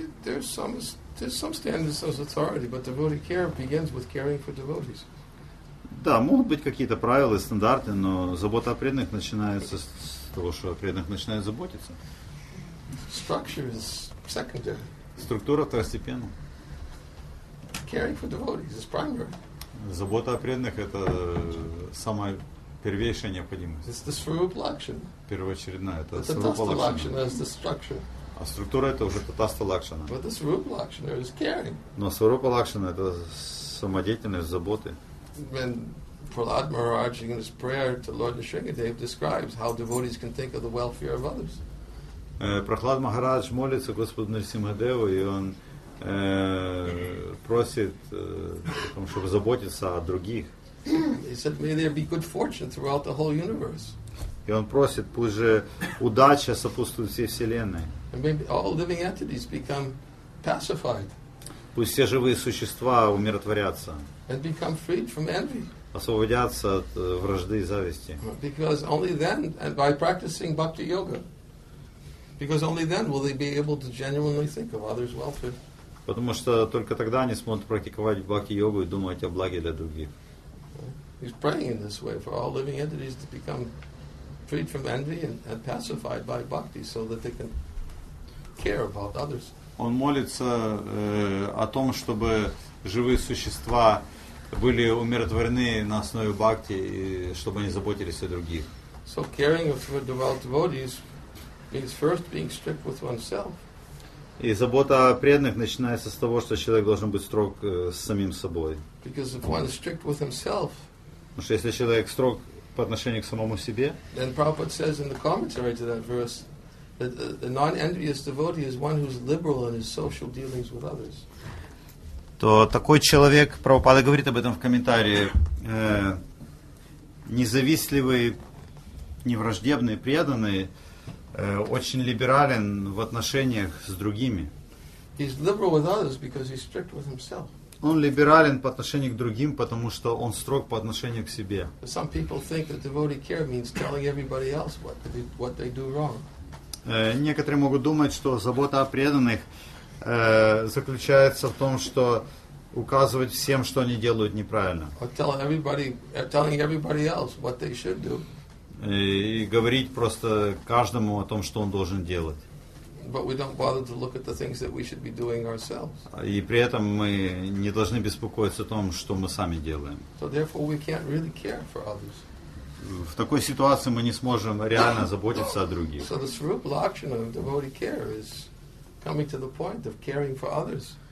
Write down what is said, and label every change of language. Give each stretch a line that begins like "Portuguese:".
English: There's some standards, some authority, but devotee care begins with caring for devotees.
Russian: Да, могут быть какие-то правила, стандарты, но забота о преданных начинается с того, что о преданных начинают заботиться.
English: Structure is secondary.
Russian: Структура второстепенна.
English: Caring for devotees is primary.
Russian: Забота о преданных – это самая первейшая необходимость.
English: It's the svarupa lakshana.
Russian: Первоочередная – это
English: svarupa lakshana. It's the structure.
Russian: А структура – это уже tattastha lakshana.
English: But the svarupa lakshana is caring.
Russian: Но svarupa lakshana – это самодеятельность, заботы.
English: When Prahlad Maharaj in his prayer to Lord Nrisimhadev describes how devotees can think of the welfare of others.
Russian: Prahlad Maharaj молится Господу Нрисимхадеву, и он просит, чтобы заботиться о других.
English: He said, "May there be good fortune throughout the whole universe."
Russian: И он просит, пусть же удача сопутствует всей вселенной.
English: And maybe all living entities become pacified.
Russian: Пусть все живые существа умиротворятся.
English: And become freed from envy.
Russian: Освободятся от вражды и зависти.
English: Because only then, and by practicing bhakti yoga, because only then will they be able to genuinely think of others' welfare.
Russian: Потому что только тогда они смогут практиковать бхакти йогу и думать о благе для других.
English: He's praying in this way for all living entities to become freed from envy and pacified by bhakti, so that they can care about others.
Russian: Он молится о том, чтобы живые существа были умиротворены на основе бхакти, и чтобы они заботились о других.
English: So caring for devotees means first being strict with oneself.
Russian: И забота о преданных начинается с того, что человек должен быть строг с самим собой.
English: Because if one is strict with himself,
Russian: потому что если человек строг по отношению к самому себе,
English: then Prabhupada says in the commentary to that verse that the non-envious devotee is one who is liberal in his social dealings with others.
Russian: То такой человек, Прабхупада говорит об этом в комментарии, независтливый, невраждебный, преданный, очень либерален в отношениях с другими.
English: He's liberal with others because he's strict with himself.
Russian: Он либерален по отношению к другим, потому что он строг по отношению к себе.
English: Some people think that devotee care means telling everybody else what they do wrong.
Russian: Некоторые могут думать, что забота о преданных заключается в том, что указывать всем, что они делают неправильно.
English: Telling everybody else what they should do.
Russian: И говорить просто каждому о том, что он должен делать. И при этом мы не должны беспокоиться о том, что мы сами делаем.
English: So therefore we can't really care for others.
Russian: В такой ситуации мы не сможем реально заботиться о других.
English: So the svarupa lakshana of devotee care is coming to the point of caring for others.